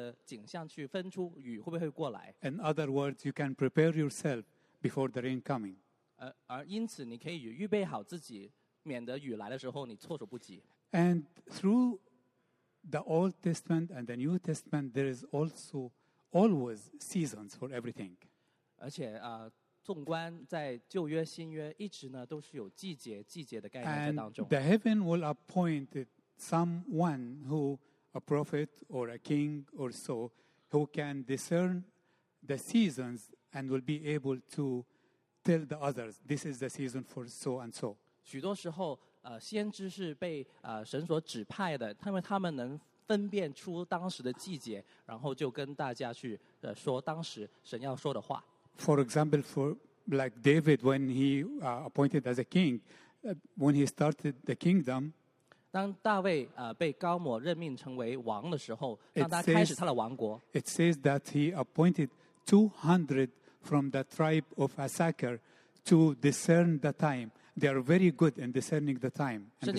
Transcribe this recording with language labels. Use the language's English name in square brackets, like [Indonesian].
[Chinese] 耶稣斥责，特别是那当时的犹太人，就是斥责他们说：“你们其实是能透过天上的景象去分出雨会不会过来。” [English] In other words, you can prepare yourself before the rain coming. [Chinese] 而因此，你可以预备好自己，免得雨来的时候你措手不及。 [English] And through the Old Testament and the New Testament, there is also always seasons for everything. [Chinese] 而且 纵观在旧约、新约，一直呢都是有季节、季节的概念在当中。 [English] And the heaven will appoint someone who, a prophet or a king or so, who can discern the seasons and will be able to tell the others, this is the season for so and so. [Chinese] 许多时候, 先知是被, 神所指派的, 他们能分辨出当时的季节, 然后就跟大家去, 说当时神要说的话。 [English] For example, for like David, when he appointed as a king, when he started the kingdom, [Chinese] 当大卫, 被高摩任命成为王的时候, 当他开始他的王国, [English] it says that he appointed 200 from the tribe of Issachar to discern the time. They are very good in discerning the time.